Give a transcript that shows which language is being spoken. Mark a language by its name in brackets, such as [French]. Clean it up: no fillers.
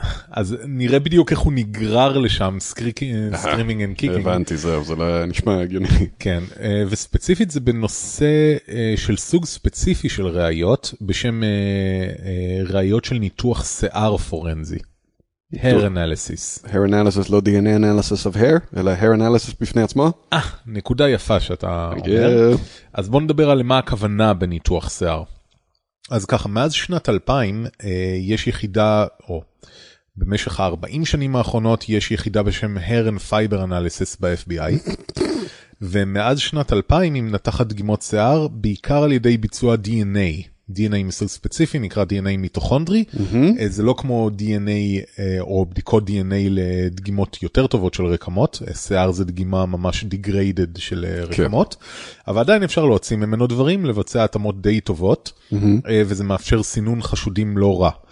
[Hebrew] אז נראה בדיוק איך הוא נגרר לשם, [English] סקרימינג אנד קיקינג. [Hebrew] הבנתי, זהו, זה לא נשמע הגיוני. כן, וספציפית זה בנושא של סוג ספציפי של ראיות, בשם ראיות של ניתוח שיער פורנזי. [English] Hair analysis. Hair analysis, לא DNA analysis of hair, אלא hair analysis [Hebrew] בפני עצמו. נקודה יפה שאתה אומר. אז בוא נדבר על מה הכוונה בניתוח שיער. אז ככה, מאז שנת 2000, יש יחידה, או במשך ה-40 שנים האחרונות, יש יחידה בשם Hair and Fiber Analysis ב-FBI, ומאז שנת 2000 היא מנתחת דגימות שיער, בעיקר על ידי ביצוע DNA, DNA מסוג ספציפי, נקרא DNA מיטוכונדרי, זה לא כמו DNA או בדיקות DNA לדגימות יותר טובות של רקמות, שיער זה דגימה ממש degraded של רקמות, אבל עדיין אפשר להוציא ממנו דברים, לבצע התאמות די טובות, וזה מאפשר סינון חשודים לא רע.